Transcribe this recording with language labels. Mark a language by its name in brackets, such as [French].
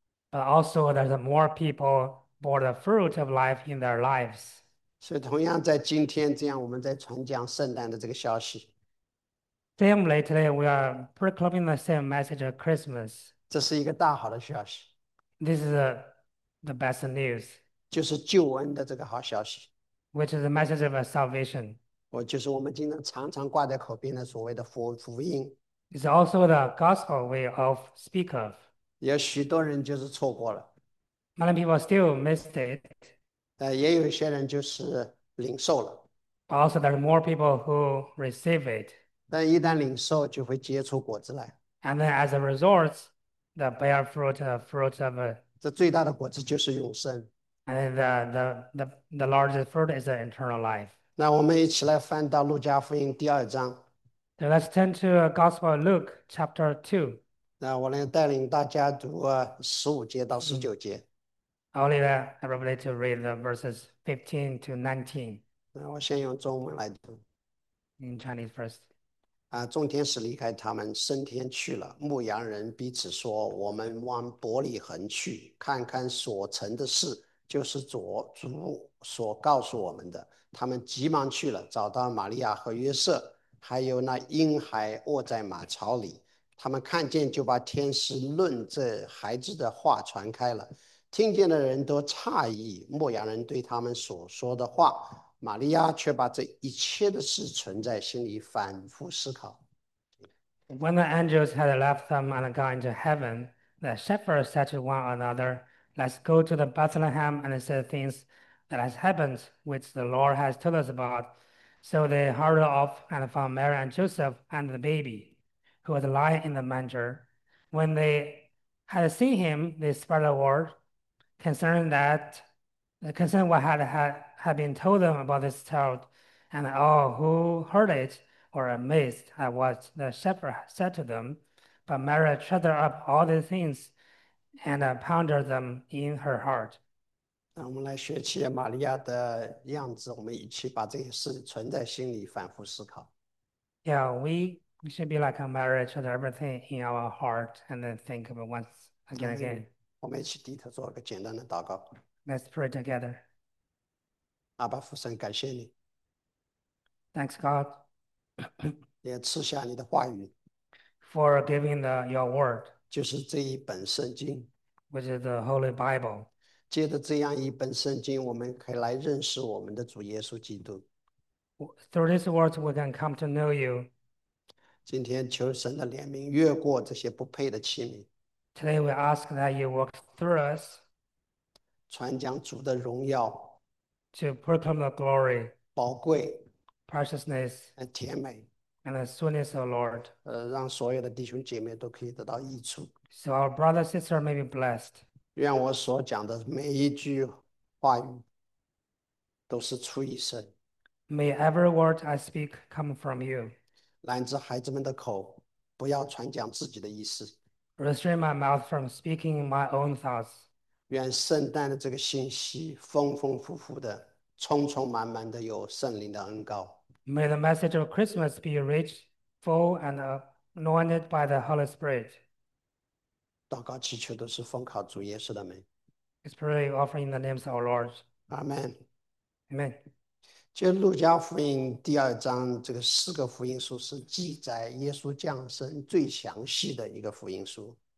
[English] But also, there's more people bore the fruit of life in their lives. [Chinese] 所以，同样在今天这样，我们在传讲圣诞的这个消息。 [English] Similarly, today we are proclaiming the same message of Christmas. [Chinese] 这是一个大好的消息， [English] This is the best news, [Chinese] 就是救恩的这个好消息， [English] which is the message of salvation. [Chinese] 就是我们经常常常挂在口边的所谓的福音。 [English] It's also the gospel we all speak of. [Chinese] 有许多人就是错过了。 [English] Many people still missed it. [Chinese] 也有一些人就是领受了， [English] Also, there are more people who receive it. [Chinese] 但一旦领受，就会结出果子来。 [English] And then, as a result, the bear fruit of a, [Chinese] 这最大的果子就是永生。 [English] and the largest fruit is an eternal life. [Chinese] 那我们一起来翻到《路加福音》第二章。 [English] So let's turn to Gospel of Luke, chapter 2. [Chinese] 那我能带领大家读15节到19节。 [English] I'll leave everybody to read the verses 15 to 19 [Chinese] 那我先用中文来读。 [English] in Chinese first. [Chinese] 众天使离开他们，升天去了。牧羊人彼此说：“我们往伯利恒去，看看所成的事，就是主所告诉我们的。 ”他们急忙去了，找到玛利亚和约瑟，还有那婴孩卧在马槽里。他们看见，就把天使论这孩子的话传开了。听见的人都诧异牧羊人对他们所说的话。玛利亚却把这一切的事存在心里，反复思考。 [English] When the angels had left them and gone into heaven, the shepherds said to one another, "Let's go to the Bethlehem and see the things that has happened, which the Lord has told us about." So they hurried off and found Mary and Joseph and the baby, who was lying in the manger. When they had seen him, they spread the word concerning what had been told them about this child, and all who heard it were amazed at what the shepherd said to them, but Mary treasured up all these things and pondered them in her heart. [Chinese] 那我们来学习玛利亚的样子，我们一起把这些事存在心里，反复思考。 [English] Yeah, we should be like a Mary treasured everything in our heart and then think of it once 阿 again. [Chinese] 我们一起低头做个简单的祷告。 [English] Let's pray together. [Chinese] 阿爸父神，感谢你， [English] Thanks, God. [Chinese] 也赐下你的话语， [English] For giving your word, [Chinese] 就是这一本圣经。 [English] which is the Holy Bible, [Chinese] 借着这样一本圣经，我们可以来认识我们的主耶稣基督。 [English] through these words we can come to know you. [Chinese] 今天求神的怜悯，越过这些不配的器皿， [English] Today we ask that you work through us [Chinese] 传讲主的荣耀、 [English] to proclaim the glory, [Chinese] 宝贵、 [English] preciousness. [Chinese] 甜美， [English] And the sweetness of the Lord. [Chinese] 让所有的弟兄姐妹都可以得到益处。 [English] So our brother and sister may be blessed. [Chinese] 愿我所讲的每一句话语都是出于神， [English] May every word I speak come from you. [Chinese] 拦住孩子们的口，不要传讲自己的意思。 [English] Restrain my mouth from speaking my own thoughts. [Chinese] 愿圣诞的这个信息丰丰富富的、充充满满的，有圣灵的恩膏。 [English] May the message of Christmas be rich, full, and anointed by the Holy Spirit. [Chinese] 祷告祈求都是奉靠主耶稣的名。 [English] Let's pray offering the names of our Lord. [Chinese] 阿门。 [English] Amen. [Chinese] 就路加福音2章，这个四个福音书是记载耶稣降生最详细的一个福音书。